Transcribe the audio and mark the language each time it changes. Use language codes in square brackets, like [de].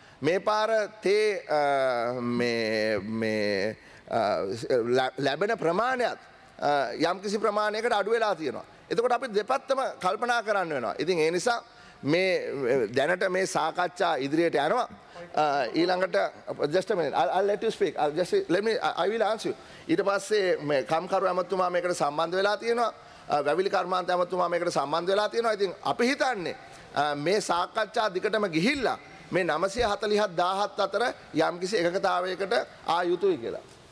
[si] මේ පාර තේ මේ ලැබෙන ප්‍රමාණයත් යම්කිසි ප්‍රමාණයකට අඩු වෙලා තියෙනවා. එතකොට අපි දෙපැත්තම කල්පනා කරන්න වෙනවා. ඉතින් ඒ නිසා මේ දැනට මේ සාකච්ඡා ඉදිරියට යනවා. [en] ඊළඟට just a minute, I'll let you speak. I will answer you. [si] ඊට පස්සේ මේ කම්කරු ඇමතුමා මේකට සම්බන්ධ වෙලා තියෙනවා. වැවිලි කර්මාන්ත ඇමතුමා මේකට සම්බන්ධ වෙලා තියෙනවා. ඉතින් අපි හිතන්නේ මේ සාකච්ඡා දිගටම ගිහිල්ලා මේ 940 1000 අතර යම්කිසි එකකතාවයකට ආ යුතුයි කියලා.